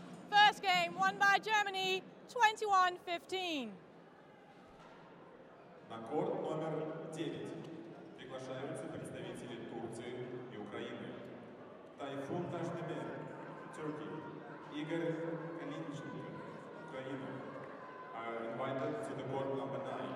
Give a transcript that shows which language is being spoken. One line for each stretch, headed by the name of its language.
English: First game won by Germany, 21-15.
Russian: На корт номер 9 приглашаются представители Турции и Украины. Тайфун Таштебер, Turkey. Игорь Калинченко, Украина.
English: Are invited to the court number 9.